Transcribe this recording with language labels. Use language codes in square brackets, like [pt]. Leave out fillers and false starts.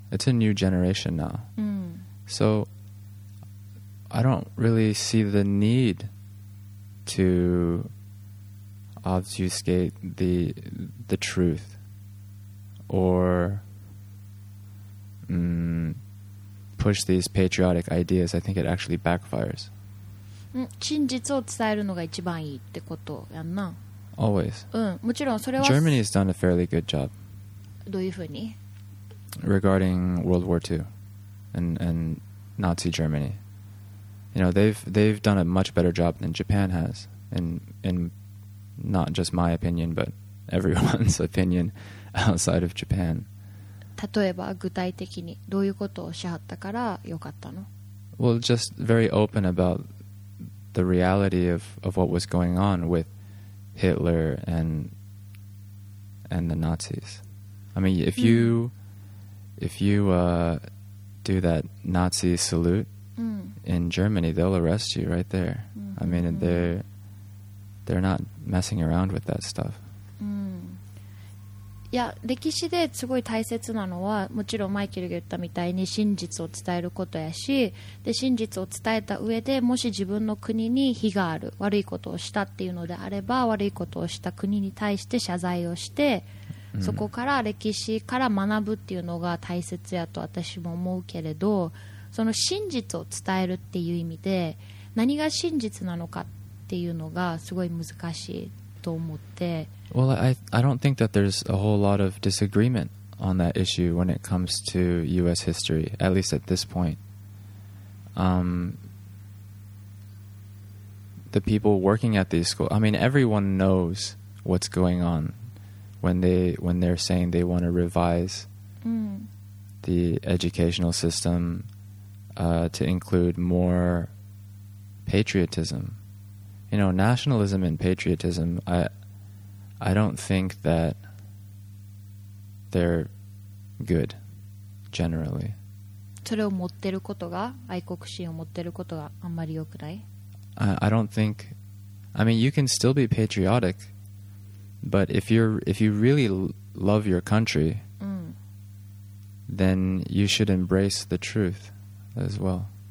[en] It's a new generation now. So I don't really see the need to obfuscate the truth or push these patriotic ideas. I think it actually backfires. [ja] 真実を伝えるのが一番いいってことやんな。 [en] Always. [ja] もちろんそれは [en] Germany has done a fairly good job. [ja] どういうふうに？ [en] Regarding World War II and Nazi Germany, you know, they've done a much better job than Japan has, in not just my opinion but everyone's opinion outside of Japan. [ja] 例えば具体的にどういうことをしはったから良かったの？ [en] Well, just very open about the reality of what was going on with Hitler and the Nazis. I mean, if you do that Nazi salute in Germany, they'll arrest you right there. I mean, they're not messing around with that stuff. [ja] いや、歴史ですごい大切なのは、もちろんマイケルが言ったみたいに真実を伝えることやし、で真実を伝えた上で、もし自分の国に非がある、悪いことをしたっていうのであれば、悪いことをした国に対して謝罪をして、そこから歴史から学ぶっていうのが大切やと私も思うけれど、その真実を伝えるっていう意味で何が真実なのかっていうのがすごい難しい。と思って。 [en] Well, I don't think that there's a whole lot of disagreement on that issue when it comes to U.S. history, at least at this point. The people working at these schools, I mean, everyone knows what's going on when they're saying they want to revise the educational system to include more patriotism. You know, nationalism and patriotism, I don't think that they're good, generally. [ja] それを持ってることが、愛国心を持ってることがあんまり良くない? [en] I don't think... I mean, you can still be patriotic, but if you really love your country, then you should embrace the truth as well.